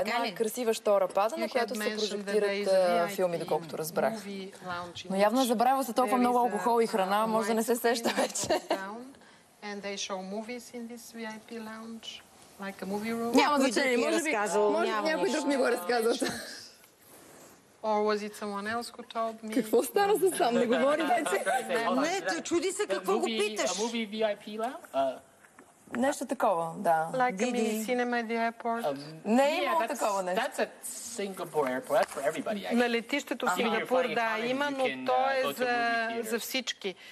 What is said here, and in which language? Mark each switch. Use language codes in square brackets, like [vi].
[bg] Една красива штора пада, на която се прожектират филми, доколкото разбрах. Но явно забравя се толкова много алкохол и храна, може да не се сеща вече. [en] And they show movies in this VIP lounge, like a movie room. [bg] Няма значение, може би някой друг ми го разказва. [en] Or was it someone else who told me? [bg] Какво стана се сам, не говори вече. Не, чуди се какво го питаш. [en] A movie VIP lounge? [bg] Нещо такова, да. [en] Like a mini cinema at the airport? [bg] Не е имало такова нещо. [en] That's a Singapore airport, that's for everybody. [bg] На летището Сингапур, да, има, но то е за всички.